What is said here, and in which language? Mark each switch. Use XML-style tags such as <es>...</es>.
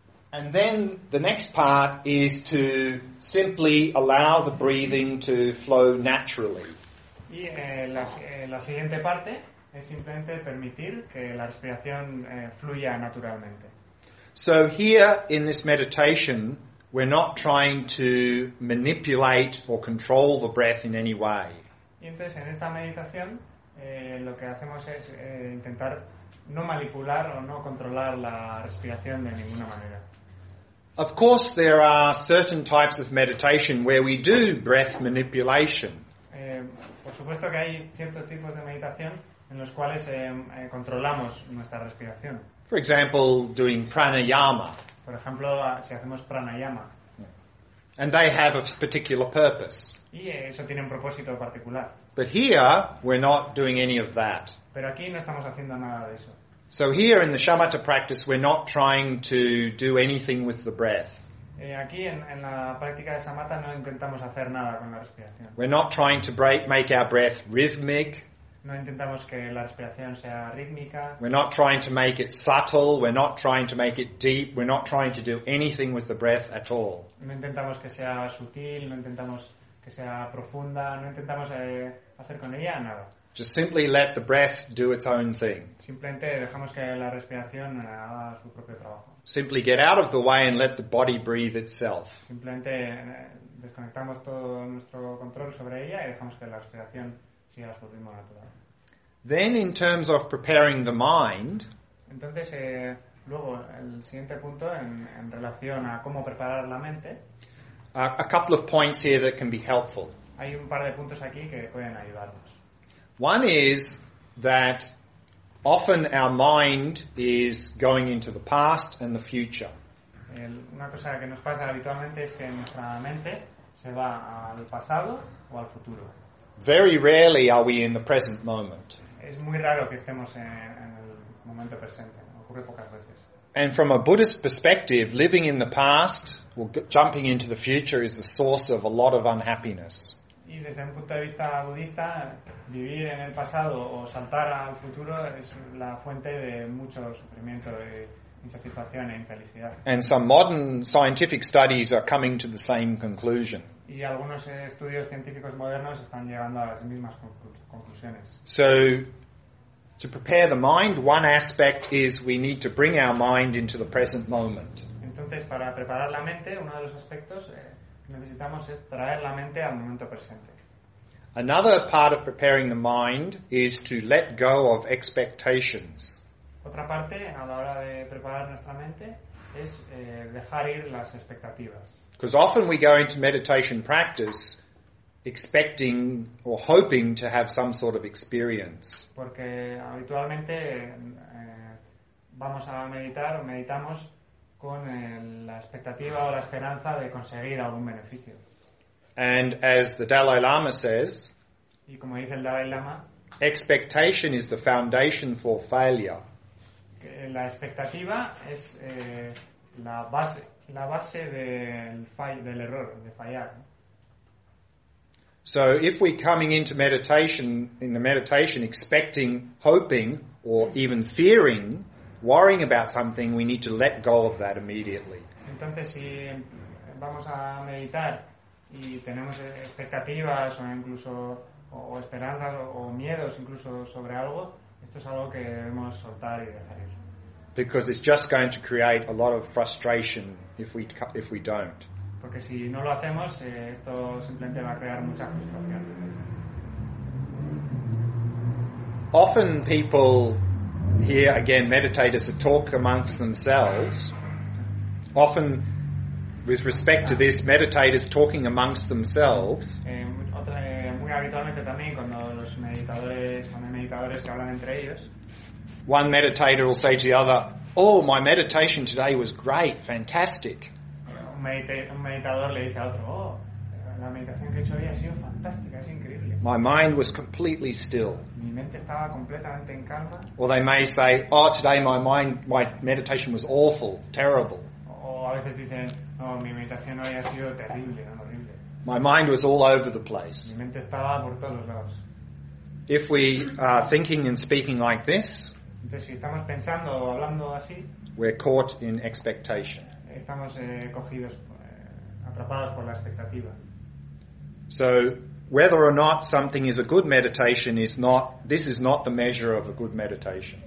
<en>And then the next part is to simply allow the breathing to flow naturally.</en> <es>Y la siguiente parte es simplemente permitir que la respiración fluya naturalmente.</es> <en>So here in this meditation, we're not trying to manipulate or control the breath in any way.</en> <es>Y entonces en esta meditación lo que hacemos es intentar no manipular o no controlar la respiración de ninguna manera.</es> <en>Of course, there are certain types of meditation where we do breath manipulation.</en> <es>Por supuesto que hay ciertos tipos de meditación en los cuales controlamos nuestra respiración.</es> <en>For example, doing pranayama.</en> <es>Por ejemplo, si hacemos pranayama.</es> <en>And they have a particular purpose.</en> <es>Y eso tiene un propósito particular.</es> <en>But here, we're not doing any of that.</en> <es>Pero aquí no estamos haciendo nada de eso.</es> <en>So here in the shamatha practice, we're not trying to do anything with the breath.</en> <es>Aquí en la práctica de shamatha no intentamos hacer nada con la respiración.</es> <en>We're not trying to make our breath rhythmic.</en> <es>No intentamos que la respiración sea rítmica.</es> <en>We're not trying to make it subtle. We're not trying to make it deep. We're not trying to do anything with the breath at all.</en> <es>No intentamos que sea sutil. No intentamos que sea profunda. No intentamos hacer con ella nada.</es> <en>Just simply let the breath do its own thing.</en> <es>Simplemente dejamos que la respiración haga su propio trabajo.</es> <en>Simply get out of the way and let the body breathe itself.</en> <es>Simplemente desconectamos todo nuestro control sobre ella y dejamos que la respiración siga su ritmo natural.</es> <en>Then in terms of preparing the mind,</en> <es>entonces luego el siguiente punto en relación a cómo preparar la mente.</es> <en>A couple of points here that can be helpful.</en> <es>Hay un par de puntos aquí que pueden ayudarnos.</es> <en>One is that often our mind is going into the past and the future.</en> <es>Una cosa que nos pasa habitualmente es que nuestra mente se va al pasado o al futuro.</es> <en>Very rarely are we in the present moment.</en> <es>Es muy raro que estemos en el momento presente. Ocurre pocas veces.</es> <en>And from a Buddhist perspective, living in the past or jumping into the future is the source of a lot of unhappiness.</en> <es>Y desde un punto de vista budista, vivir en el pasado o saltar al futuro es la fuente de mucho sufrimiento, de insatisfacción e infelicidad.</es> <en>And some modern scientific studies are coming to the same conclusion.</en> <es>Y algunos estudios científicos modernos están llegando a las mismas conclusiones.</es> <en>So, to prepare the mind, one aspect is we need to bring our mind into the present moment.</en> <es>Entonces, para preparar la mente, uno de los aspectos necesitamos es traer la mente al momento presente.</es> <en>Another part of preparing the mind is to let go of expectations.</en> <es>Otra parte a la hora de preparar nuestra mente es dejar ir las expectativas.</es> <en>Because often we go into meditation practice expecting or hoping to have some sort of experience.</en> <es>Porque habitualmente vamos a meditar o meditamos con la expectativa o la esperanza de conseguir algún beneficio.</es> <en>And as the Dalai Lama says,</en> <es>y como dice el Dalai Lama,</es> <en>expectation is the foundation for failure.</en> <es>La expectativa es la base del error, de fallar.</es> <en>So if we're coming into meditation, in the meditation, expecting, hoping, or even fearing, worrying about something, we need to let go of that immediately.</en> <es>Entonces, si vamos a meditar y tenemos expectativas o incluso o esperanzas o miedos incluso sobre algo, esto es algo que debemos soltar y dejar ir.</es> <en>Because it's just going to create a lot of frustration if we don't.</en> <es>Porque si no lo hacemos, esto simplemente va a crear mucha frustración.</es> <en>Often people here again, meditators that talk amongst themselves. Often, with respect to this, meditators talking amongst themselves.</en> <es>Muy habitualmente también cuando los meditadores que hablan entre ellos.</es> <en>One meditator will say to the other, "Oh, my meditation today was great, fantastic."</en> <es>Un meditador le dice a otro, la meditación que he hecho hoy ha sido fantástica, es increíble.</es> <en>My mind was completely still.</en> <es>Mi mente estaba completamente en calma.</es> <en>Or they may say, "Oh, today my meditation was awful, terrible."</en> <es>O a veces dicen, mi meditación hoy ha sido terrible, no horrible.</es> <en>My mind was all over the place.</en> <es>Mi mente estaba por todos lados.</es> <en>If we are thinking and speaking like this,</en> <es>entonces si estamos pensando o hablando así,</es> <en>we're caught in expectation.</en> <es>Estamos cogidos, atrapados por la expectativa.</es> <en>So, whether or not something is a good meditation is not, this is not the measure of a good meditation.</en>